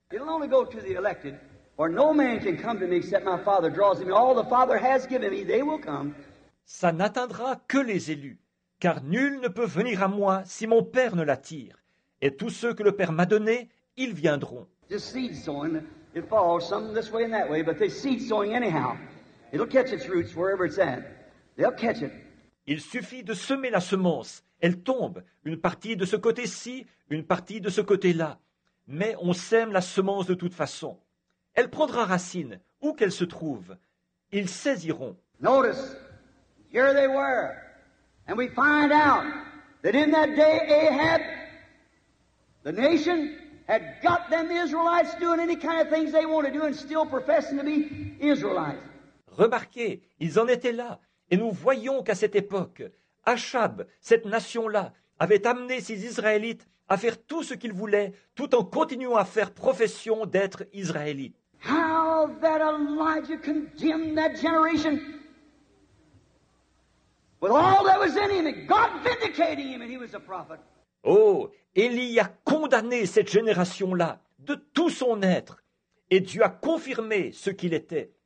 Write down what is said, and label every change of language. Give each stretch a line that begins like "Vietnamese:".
English: It'll only go to the elected, or no man can come to me except my Father draws him. All the Father has given me, they will come.
French: Ça n'atteindra que les élus, car nul ne peut venir à moi si mon Père ne l'attire. Et tous ceux que le Père m'a donné, ils viendront.
English: Just seed sowing, it falls some this way and that way, but they seed sowing anyhow. It'll catch its roots wherever it's at. They'll catch it.
French: Il suffit de semer la semence. Elle tombe, une partie de ce côté-ci, une partie de ce côté-là. Mais on sème la semence de toute façon. Elle prendra racine, où qu'elle se trouve. Ils saisiront.
English: Notice, here they were. And we find out that in that day Ahab, the nation, had got them Israelites doing any kind of things they wanted to do and still professing to be Israelites.
French: Remarquez, ils en étaient là. Et nous voyons qu'à cette époque, Achab, cette nation-là, avait amené ses Israélites à faire tout ce qu'ils voulaient, tout en continuant à faire profession d'être Israélites.
English: How that Elijah condemned that generation with all that was in him, and God vindicating him, and he was a prophet.
French: Oh, Élie a condamné cette génération-là de tout son être, et Dieu a confirmé ce qu'il était.